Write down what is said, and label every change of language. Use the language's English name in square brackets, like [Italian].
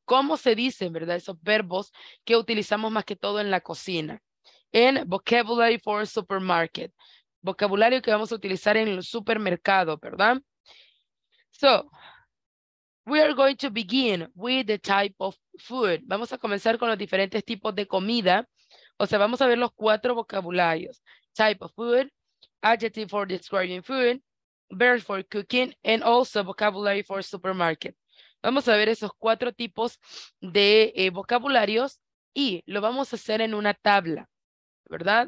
[Spanish] ¿Cómo se dicen, verdad, esos verbos que utilizamos más que todo en la cocina? En [English] vocabulary for supermarket. [Spanish] Vocabulario que vamos a utilizar en el supermercado, ¿verdad? [English] So, we are going to begin with the type of food. [Spanish] Vamos a comenzar con los diferentes tipos de comida. O sea, vamos a ver los cuatro vocabularios. [English] Type of food, adjective for describing food, verb for cooking, and also vocabulary for supermarket. [Spanish] Vamos a ver esos cuatro tipos de vocabularios y lo vamos a hacer en una tabla, ¿verdad?